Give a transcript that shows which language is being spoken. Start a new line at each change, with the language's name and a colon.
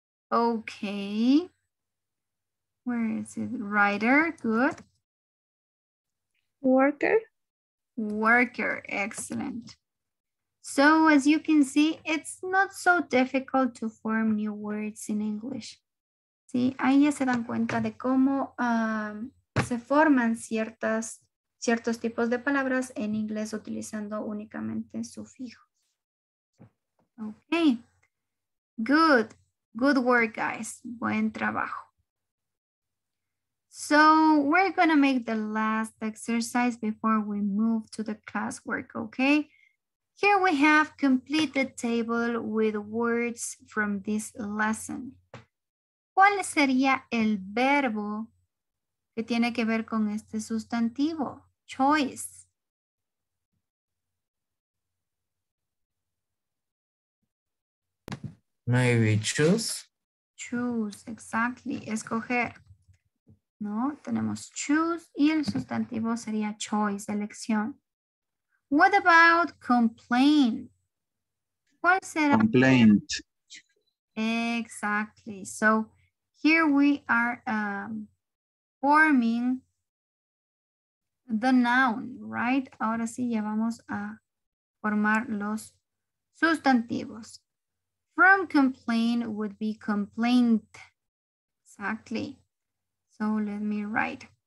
English: Okay. Where is it? Writer, good. Worker. Worker, excellent. So as you can see, it's not so difficult to form new words in English.
Spanish: Sí, ahí ya se dan cuenta de cómo se forman ciertos tipos de palabras en inglés utilizando únicamente sufijos.
English: Okay, good. Good work, guys.
Spanish: Buen trabajo.
English: So we're gonna make the last exercise before we move to the classwork, okay? Here we have completed table with words from this lesson.
Spanish: ¿Cuál sería el verbo que tiene que ver con este sustantivo?
English: Choice. Maybe choose. Choose, exactly,
Spanish: escoger. ¿no? Tenemos choose y el sustantivo sería choice, elección.
English: What about complain?
Spanish: ¿Cuál será?
English: Complaint. Exactly. So here we are forming the noun, right?
Spanish: Ahora sí ya vamos a formar los sustantivos.
English: From complain would be complaint. Exactly. So let me write.